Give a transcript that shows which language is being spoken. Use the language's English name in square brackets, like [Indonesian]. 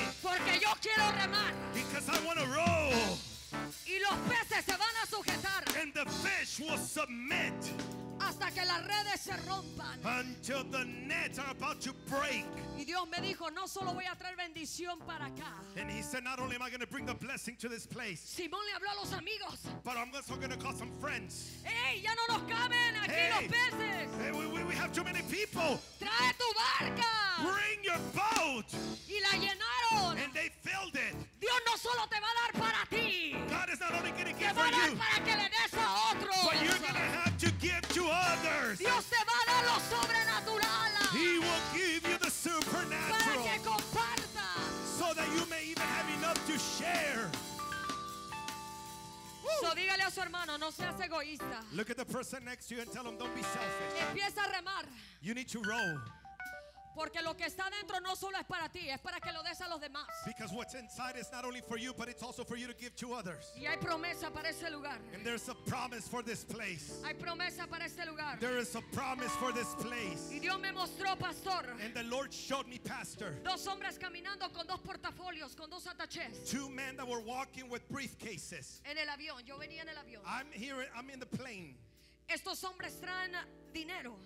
[Spanish] Porque yo quiero remar. [English] Because I want to row. [Spanish] Y los peces se van a sujetar. [English] And the fish will submit. [Spanish] Hasta que las redes se rompan. [English] Until the nets are about to break. [Spanish] Y Dios me dijo, no solo voy a traer bendición para acá. [English] And he said, not only am I going to bring the blessing to this place. [Spanish] Simón le habló a los amigos. [English] But I'm also going to call some friends. [Spanish] Hey, ya no nos caben aquí hey, los peces. [English] Hey, we have too many people. [Spanish] Trae tu barca. [English] Bring your boat. [Spanish] Y la llenaron. [English] And they filled it. [Spanish] Dios no solo te va a dar para ti. [English] God is not only going to give for you. [Spanish] Te va a dar para que le des a otros. [English] But you're going to have to give to others. [Spanish] Dios te va a dar lo sobrenatural. [English] He will give you the supernatural. [Spanish] Para que compartas. [English] So that you may even have enough to share. [Spanish] So dígale a su hermano, no seas egoísta. [English] Look at the person next to you and tell him, don't be selfish. [Spanish] Empieza a remar. [English] You need to row. [Spanish] Porque lo que está dentro no solo es para ti, es para que lo des a los demás. [English] Because what's inside is not only for you, but it's also for you to give to others. [Spanish] Y hay promesa para ese lugar. [English] And there's a promise for this place. [Spanish] Hay promesa para este lugar. [English] There is a promise for this place. [Spanish] Y Dios me mostró, pastor. [English] And the Lord showed me, pastor. [Spanish] Dos hombres caminando con dos portafolios, con dos attachés. [English] Two men that were walking with briefcases. [Spanish] En el avión, yo venía en el avión. [English] I'm in the plane. [Spanish] Estos hombres traen dinero.